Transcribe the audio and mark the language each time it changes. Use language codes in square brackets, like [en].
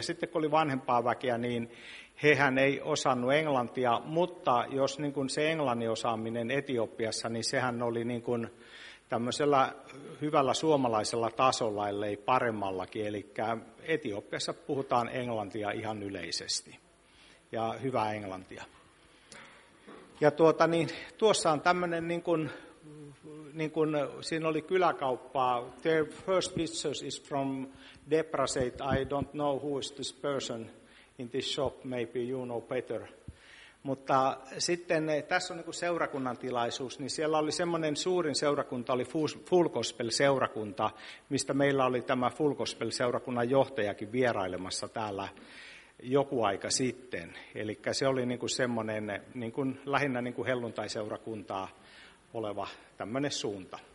[fi] Ja sitten kun oli vanhempaa väkeä, niin hehän ei osannut englantia, mutta jos niin kuin se englannin osaaminen Etiopiassa, niin sehän oli niin kuin tämmöisellä hyvällä suomalaisella tasolla, ellei paremmallakin, eli Etiopiassa puhutaan englantia ihan yleisesti, ja hyvää englantia. Ja tuossa on tämmöinen, niin kuin siinä oli kyläkauppaa. [en] Their first pictures is from Debreceit. I don't know who is this person in this shop. Maybe you know better. [fi] Mutta sitten tässä on niin kuin seurakunnan tilaisuus. Niin siellä oli semmoinen suurin seurakunta, oli Full Gospel-seurakunta, mistä meillä oli tämä Full Gospel-seurakunnan johtajakin vierailemassa täällä joku aika sitten. Eli se oli niinku semmoinen niinku lähinnä niinku helluntaiseurakuntaa oleva tämmöinen suunta.